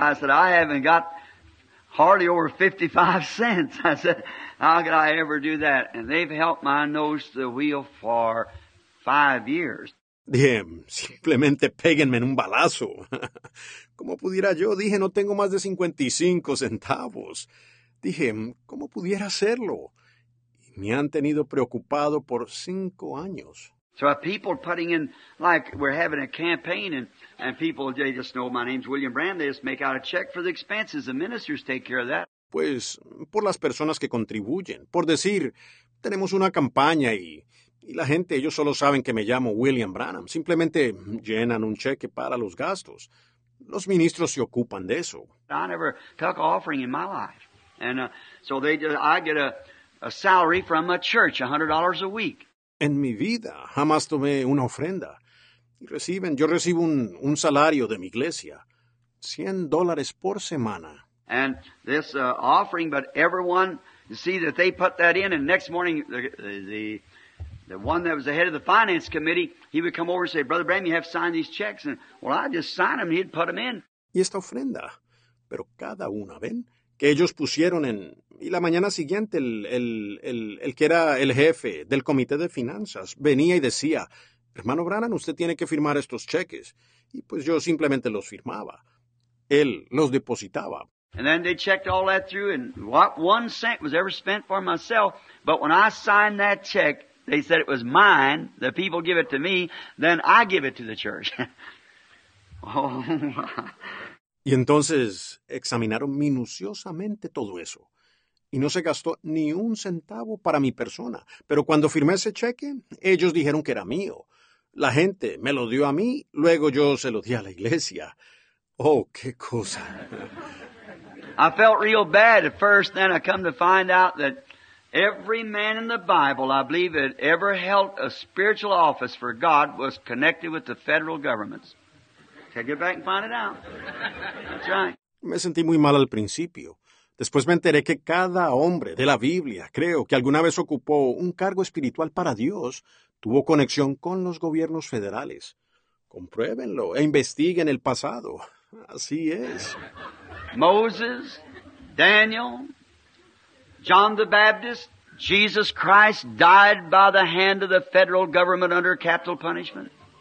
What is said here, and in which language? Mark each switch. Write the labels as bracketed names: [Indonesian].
[English] I said, I haven't got hardly over 55 cents. I said, how could I ever do that? And they've helped my nose to the wheel for 5 years. [Spanish] Dije, simplemente péguenme en un balazo. ¿Cómo pudiera yo? Dije, no tengo más de 55 centavos. Dije, ¿cómo pudiera hacerlo? Y me han tenido preocupado por 5 años. [English] So people putting in, like we're having a campaign, and people, they just know my name's William Brand, they just make out a check for the expenses. The ministers take care of that. [Spanish] Pues, por las personas que contribuyen. Por decir, tenemos una campaña y la gente, ellos solo saben que me llamo William Branham. Simplemente llenan un cheque para los gastos. Los ministros se ocupan de eso. [English] I never took an offering in my life. And so they, I get a salary from a church, $100 a week. [Spanish] En mi vida jamás tomé una ofrenda. Reciben, yo recibo un salario de mi iglesia, $100 por semana. [English] And this offering, but everyone, you see that they put that in, and next morning the one that was the head of the finance committee, he would come over and say, Brother Bram, you have to sign these checks. And well, I just sign them, and he'd put them in. [Spanish] Y esta ofrenda, pero cada una, ¿ven? Que ellos pusieron en... Y la mañana siguiente, el que era el jefe del comité de finanzas venía y decía, hermano Branham, usted tiene que firmar estos cheques. Y pues yo simplemente los firmaba. Él los depositaba. [English] And then they checked all that through, and not one cent was ever spent for myself. But when I signed that check, they said it was mine. The people give it to me. Then I give it to the church. Oh, [Spanish] y entonces examinaron minuciosamente todo eso. Y no se gastó ni un centavo para mi persona. Pero cuando firmé ese cheque, ellos dijeron que era mío. La gente me lo dio a mí, luego yo se lo di a la iglesia. Oh, qué cosa. [English] I felt real bad at first, then I come to find out that every man in the Bible, I believe, that ever held a spiritual office for God was connected with the federal governments. Take it back and find it out. That's right. [Spanish] Me sentí muy mal al principio. Después me enteré que cada hombre de la Biblia, creo, que alguna vez ocupó un cargo espiritual para Dios, tuvo conexión con los gobiernos federales. Compruébenlo e investiguen el pasado. Así es. [English] Moses, Daniel, John the Baptist, Jesus Christ died by the hand of the federal government under capital punishment.